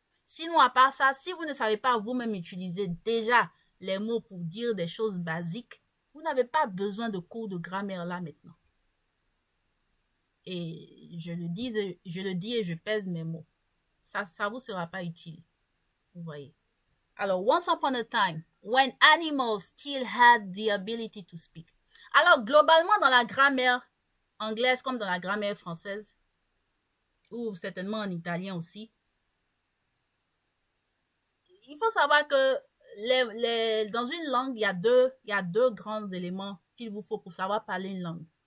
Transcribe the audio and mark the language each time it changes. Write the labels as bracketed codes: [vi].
[fr] Sinon, à part ça, si vous ne savez pas vous-même utiliser déjà les mots pour dire des choses basiques, vous n'avez pas besoin de cours de grammaire là maintenant. Et je le dis et je pèse mes mots. Ça ne vous sera pas utile. Vous voyez. [en] Alors, once upon a time, when animals still had the ability to speak. [fr] Alors, globalement, dans la grammaire anglaise comme dans la grammaire française, ou certainement en italien aussi, il faut savoir que dans une langue, il y a deux grands éléments qu'il vous faut pour savoir parler une langue.